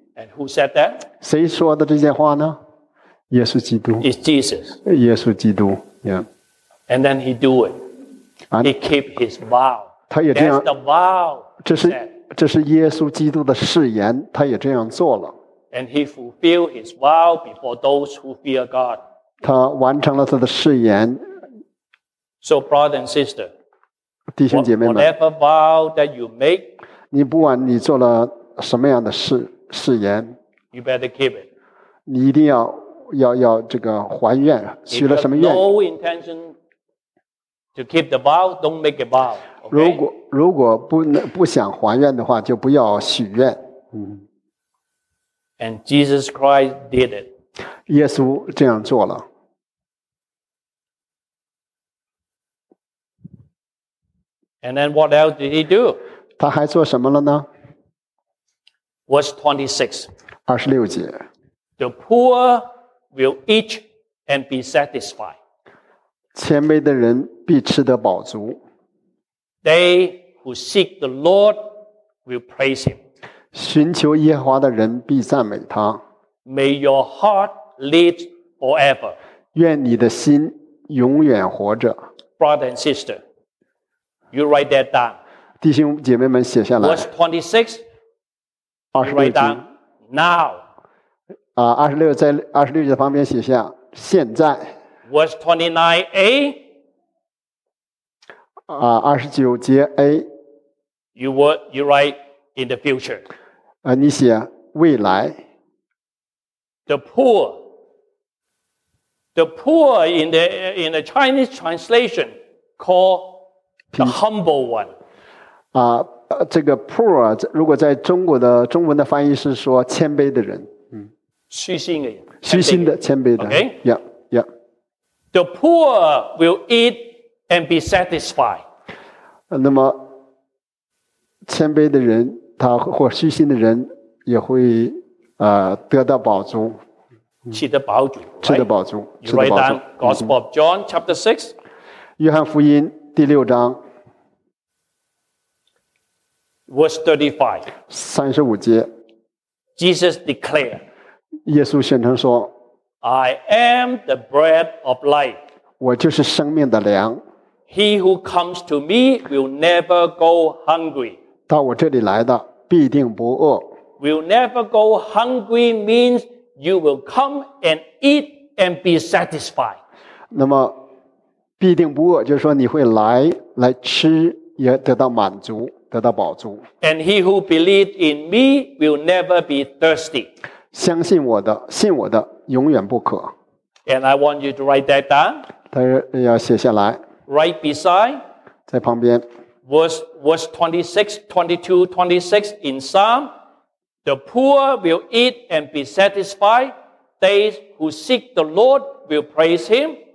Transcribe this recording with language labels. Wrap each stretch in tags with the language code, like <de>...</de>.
<en>And who said that?</en> <zh>谁说的这些话呢？耶稣基督。</zh> <en>It's Jesus.</en> <zh>耶稣基督。Yeah.</zh> <en>And then he do it. He keep his vow.</en> <zh>他也这样。</zh> <en>That's the vow.</en> <zh>这是耶稣基督的誓言，他也这样做了。</zh> <en>And he fulfilled his vow before those who fear God.</en> <zh>他完成了他的誓言。</zh> <en>So brother and sister,</en> <zh>弟兄姐妹们，</zh> <en>whatever vow that you make,</en> <zh>你不管你做了什么样的事。誓言</zh> <en>you better keep it.</en> <zh>你一定 要这个还愿，许了什么愿？</zh> <en>If you have no intention to keep the vow, don't make a vow.</en> <zh>如果 不想还愿的话，就不要许愿。</zh> <en>And Jesus Christ did it.</en> <zh>耶稣这样做了。</zh> <en>And then what else did he do?</en> <zh>他还做什么了呢？</zh> <en>Verse 26.</en> <zh>26节。</zh> <en>The poor will eat and be satisfied.</en> <zh>谦卑的人必吃得饱足。</zh> <en>They who seek the Lord will praise him.</en> <zh>寻求耶和华的人必赞美他。</zh> <en>May your heart lives forever.</en> <zh>愿你的心永远活着。</zh> <en>Brother and sister, you write that down.</en> <zh>弟兄姐妹们写下来。</zh> <en>Verse 26, you write down now.</en> <zh>26, 在26节旁边写下现在。</zh> <en>Verse 29a,</en> <zh>29节 A,</zh> <en>you write in the future.</en> <zh>你写未来。</zh> <en>The poor in the Chinese translation called the humble one.</en> <zh>这个 poor 如果在中国的中文的翻译是说谦卑的人。虚心的人。虚心的谦卑的。</zh> <en>Okay? Yeah, yeah. The poor will eat and be satisfied.</en> <zh>那么谦卑的人他或虚心的人也会得到饱足。吃得饱足。吃得饱足。</zh> <en>You write down Gospel of John, chapter 6.</en> <zh>约翰福音第六章。</zh> <en>Verse 35.</en> <zh>35节。</zh> <en>Jesus declared.</en> <zh>耶稣宣称说。</zh> <en>I am the bread of life.</en> <zh>我就是生命的粮。</zh> <en>He who comes to me will never go hungry.</en> <zh>到我这里来的必定不饿。</zh> <en>Will never go hungry means you will come and eat and be satisfied.</en> <zh>那么必定不饿就是说你会来吃也得到满足得到饱足。</zh> <en>And he who believes in me will never be thirsty.</en> <zh>相信我的信我的永远不渴。</zh> <en>And I want you to write that down.</en> <zh>他要写下来。</zh> <en>Right beside.</en> <zh>在旁边。</zh> <en>Verse 26, 22, 26 in Psalm. The poor will eat and be satisfied. They who seek the Lord will praise him.</en>